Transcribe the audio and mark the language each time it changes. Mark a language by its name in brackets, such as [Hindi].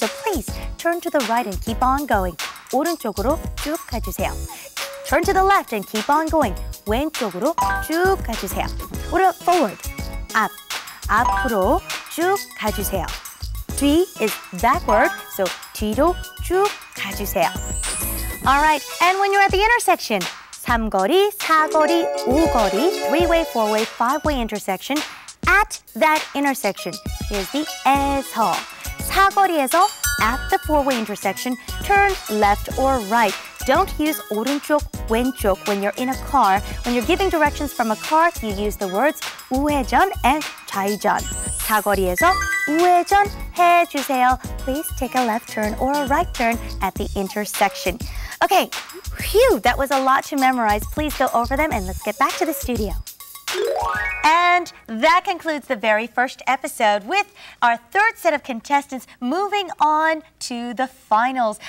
[English] So please turn to the right and keep on going. [Korean] 오른쪽으로 쭉 가주세요. [English] Turn to the left and keep on going. [Korean] 왼쪽으로 쭉 가주세요. [English] What about forward? [Korean] 앞. 앞으로 쭉 가주세요. 뒤 [English] is backward. [Korean] So 뒤로 쭉 가주세요. All right. [English] And when you're at the intersection, 삼거리, 사거리, 오거리, three-way, four-way, five-way intersection, at that intersection is the 에서. 사거리에서 at the four-way intersection, turn left or right. Don't use 오른쪽, 왼쪽 when you're in a car. When you're giving directions from a car, you use the words 우회전 and 좌회전. [Korean] 사거리에서 우회전 해주세요. [English] Please take a left turn or a right turn at the intersection. Okay, phew, that was a lot to memorize. Please go over them and let's get back to the studio. And that concludes the very first episode with our third set of contestants moving on to the finals.